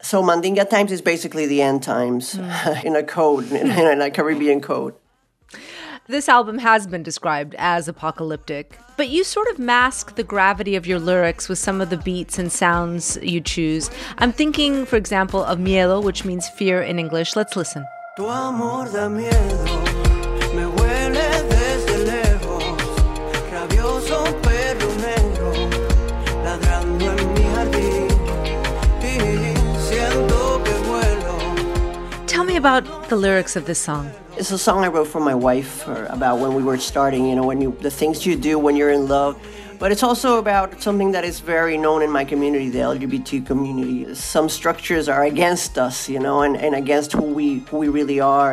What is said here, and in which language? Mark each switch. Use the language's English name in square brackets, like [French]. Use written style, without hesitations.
[English] So Mandinga Times is basically the end times in a code, in a Caribbean code. This album has been described as apocalyptic, but you sort of mask the gravity of your lyrics with some of the beats and sounds you choose. I'm thinking, for example, of Miedo, which means fear in English. Let's listen. [Spanish] Tu amor da miedo, me huele desde lejos, rabioso perro negro, ladrando en mi jardín, y siento que vuelo. [English] Tell me about the lyrics of this song. It's a song I wrote for my wife about when we were starting, you know, the things you do when you're in love. But it's also about something that is very known in my community, the LGBT community. Some structures are against us, you know, and against who we really are.